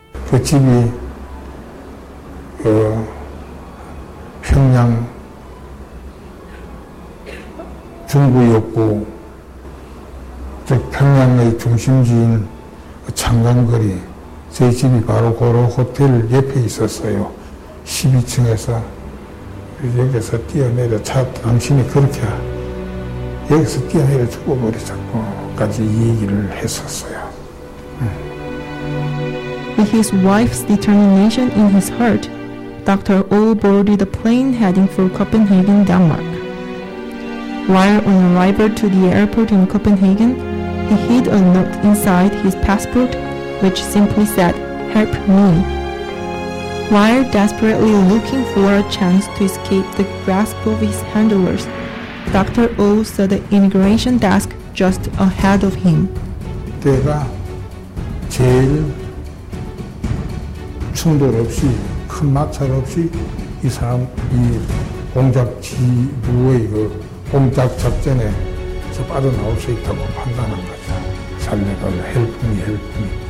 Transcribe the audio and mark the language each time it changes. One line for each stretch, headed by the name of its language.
Korean: 그 집이 평양 중구였고, 즉 평양의 중심지인 창단거리, 저희 집이 바로 그 호텔 옆에 있었어요. 12층에서 여기서 뛰어내려 차 당신이 그렇게 여기서 뛰어내려 죽어버리자고까지 얘기를 했었어요.
English: With his wife's determination in his heart, Dr. Oh boarded a plane heading for Copenhagen, Denmark. While on arrival to the airport in Copenhagen, he hid a note inside his passport which simply said, "Help me." While desperately looking for a chance to escape the grasp of his handlers, Dr. Oh saw the immigration desk just ahead of him.
Korean: 내가 제일 충돌 없이, 큰 마찰 없이 이 사람, 이 공작 지부의 그 공작 작전에 저 빠져나올 수 있다고 판단한 거죠. 살려달라.
English: Help me, help me.